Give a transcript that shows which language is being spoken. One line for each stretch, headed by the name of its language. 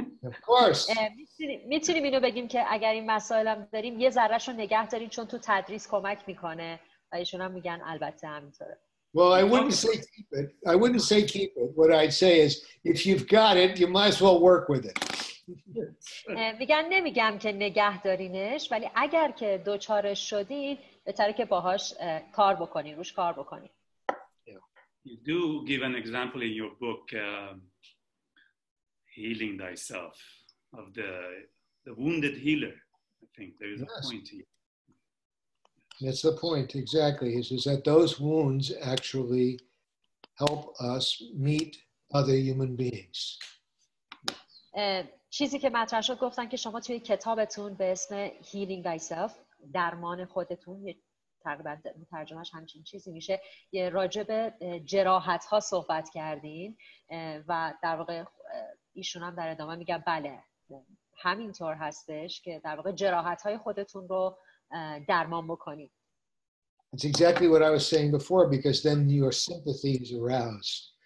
English: Of course.
Persian: می‌تونیم اینو بگیم که اگر این مسائل هم داریم یه ذره‌ش رو نگه دارین چون تو تدریس کمک می‌کنه. و ایشون هم میگن البته همینطوره.
English: Well, I wouldn't say keep it. What I'd say is, if you've got it, you might as well work with it.
Persian: میگن نمیگم که نگه دارینش، ولی اگر که دوچارش شدید، بهتره که باهاش کار بکنی، روش کار بکنی.
English: You do give an example in your book, Healing Thyself, of the wounded healer. I think there is a point here. That's the point, exactly, is that those wounds actually help us meet other human beings.
Persian: چیزی که مطرح شد گفتن که شما توی کتابتون به اسم Healing Thyself درمان خودتون تقریبا ترجمهش همچین چیزی میشه راجع به جراحت ها صحبت کردین و در واقع ایشون هم در ادامه میگه بله همینطور هستش که در واقع جراحت های خودتون رو درمان بکنید.
English: It's exactly what I was saying before, because then your sympathy is aroused.